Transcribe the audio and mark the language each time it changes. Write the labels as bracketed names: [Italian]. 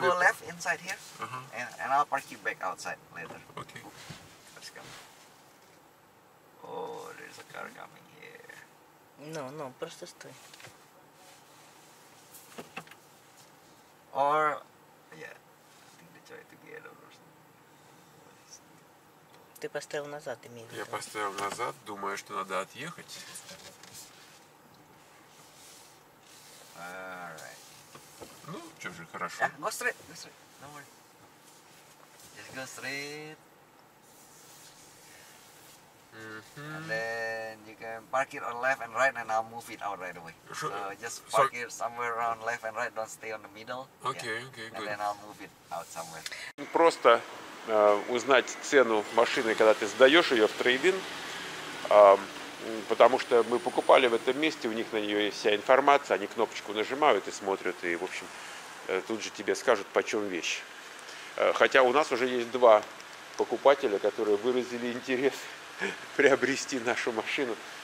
[English] go you left inside here, and I'll park you back outside later. Okay. Let's come. Oh, there's a car coming here. No, just stay. Or, yeah, I think they try to get over. [Russian] Ты поставил назад, имею в виду. Я поставил назад, думаю, что надо отъехать. [English] Alright. [Russian] Ну, что же, хорошо. [English] Yeah, go straight, go straight. Don't worry. Just go straight. And then you can park it on left and right, and I'll move it out right away. Sure. So just park it somewhere around left and right. Don't stay on the middle. Okay, yeah. Okay, and good. And then I'll move it out somewhere. [Russian] Просто узнать цену машины, когда ты сдаешь ее в трейд-ин. Потому что мы покупали в этом месте, у них на нее есть вся информация, они кнопочку нажимают и смотрят, и, в общем, тут же тебе скажут, почем вещь. Хотя у нас уже есть два покупателя, которые выразили интерес приобрести нашу машину.